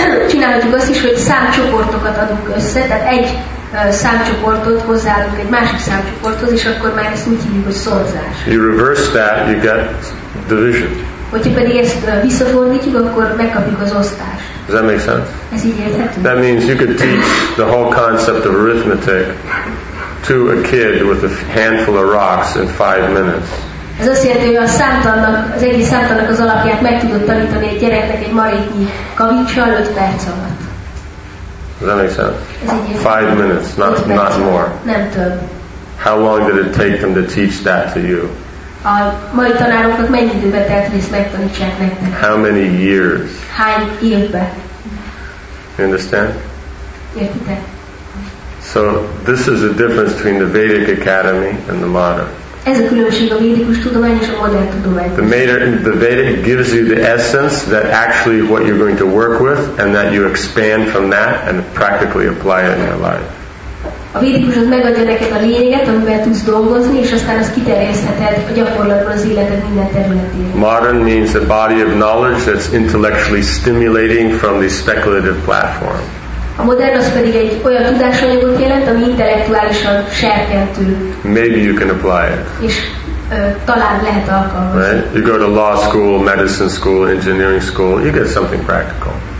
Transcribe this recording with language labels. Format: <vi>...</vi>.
<hu>Csináljuk azt is, hogy számcsoportokat adunk össze, tehát egy számcsoportot hozzáadunk egy másik számcsoporthoz, és akkor már ezt úgy hívjuk, hogy szorzás.</hu> <en>You reverse that, you get division.</en> <hu>Hogyha pedig ezt visszafordítjuk, akkor megkapjuk az osztást.</hu> <en>Does that make sense?</en> <hu>Ez így érthető.</hu> <en>That means you could teach the whole concept of arithmetic to a kid with a handful of rocks in 5 minutes.</en> <hu>Ez azt jelenti, hogy az egész számtannak az alapját meg tudod tanítani egy gyereknek egy maréknyi kavicssal 5 perc alatt.</hu> <en>Does that make sense? 5 minutes, not more.</en> <hu>Nem több.</hu> <en>How long did it take them to teach that to you?</en> <hu>A mai tanároknak mennyi időbe telt, hogy ezt megtanítsák nektek?</hu> <en>How many years?</en> <hu>Hány évbe?</hu> <en>You understand?</en> <hu>Értitek?</hu> <en>So this is the difference between the Vedic Academy and the modern.</en> <hu>Ez a különbség a védikus tudomány és a modern tudomány.</hu> <en>The Vedic gives you the essence that actually what you're going to work with and that you expand from that and practically apply it in your life.</en> <hu>A védikus az megadja neked a lényeget, amivel tudsz dolgozni, és aztán azt kiterjesztheted a gyakorlatban az életed minden területén.</hu> <en>Modern means a body of knowledge that's intellectually stimulating from the speculative platform.</en> <hu>A modern az pedig egy olyan tudásanyagot jelent, ami intellektuálisan serkentő.</hu> <en>Maybe you can apply it.</en> <hu>És talán lehet alkalmazni.</hu> <en>Right? You go to law school, medicine school, engineering school, you get something practical.</en>